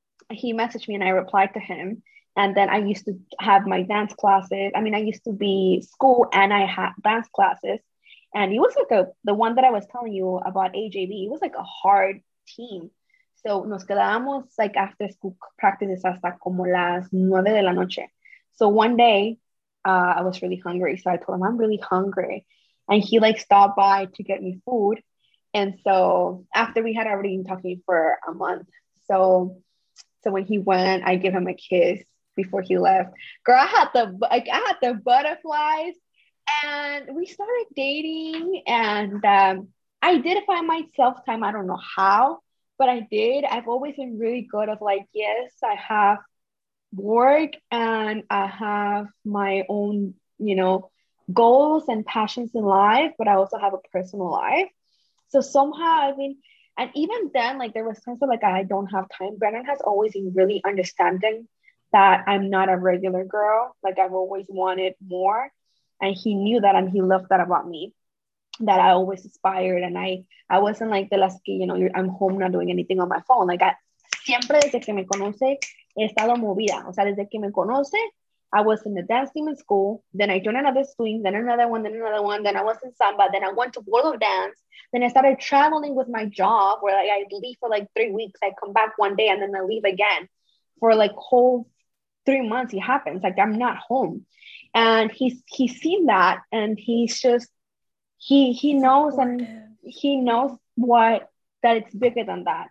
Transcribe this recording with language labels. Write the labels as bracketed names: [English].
[English] He messaged me, and I replied to him. And then I used to have my dance classes. I mean, I used to be school, and I had dance classes. And he was like the one that I was telling you about, AJB. He was like a hard team. [Spanish] So nos quedábamos [English] like after school practices [Spanish] hasta como las 9 de la noche. [English] So one day I was really hungry. So I told him, I'm really hungry. And he like stopped by to get me food. And so after we had already been talking for a month. So when he went, I give him a kiss before he left. Girl, I had the butterflies, and we started dating, and I did find myself time. I don't know how, but I did. I've always been really good of like, yes, I have work and I have my own, you know, goals and passions in life, but I also have a personal life. So somehow, I mean, and even then, like there was times of like, I don't have time. Brennan has always been really understanding that I'm not a regular girl. Like I've always wanted more. And he knew that and he loved that about me, that I always aspired. And I wasn't like the last key, you know, I'm home not doing anything on my phone. Like I, [Spanish] siempre desde que me conoce, he estado movida. O sea, desde que me conoce, [English] I was in the dance team in school. Then I joined another swing, then another one, then another one. Then I was in samba. Then I went to World of Dance. Then I started traveling with my job where like, I leave for like 3 weeks. I come back one day and then I leave again for like whole 3 months. It happens. Like I'm not home. And he's seen that and he's just, he knows and he knows what, that it's bigger than that.